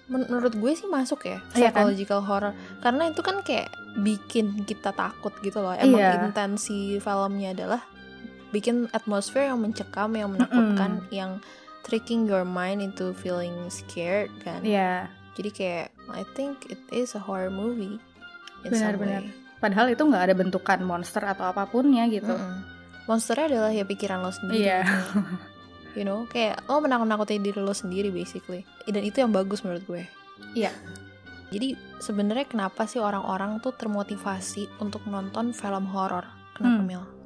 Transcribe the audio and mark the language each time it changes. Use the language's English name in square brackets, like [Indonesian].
[Indonesian] Menurut gue sih masuk ya, psychological horror, karena itu kan kayak bikin kita takut gitu loh. Emang intensi filmnya adalah bikin atmosfer yang mencekam, yang menakutkan, yang [English] tricking your mind into feeling scared [Indonesian] kan. Iya. [English] Yeah. [Indonesian] Jadi kayak [English] I think it is a horror movie. [Indonesian] Benar-benar. Padahal itu enggak ada bentukan monster atau apapunnya gitu. Monsternya adalah ya pikiran lo sendiri. Iya. [English] Yeah. You know, [Indonesian] kayak lo menakut-nakuti diri lo sendiri basically. Dan itu yang bagus menurut gue. Iya. [English] Yeah. [Indonesian] Jadi sebenarnya kenapa sih orang-orang tuh termotivasi untuk nonton film horror? Kenapa, Mil?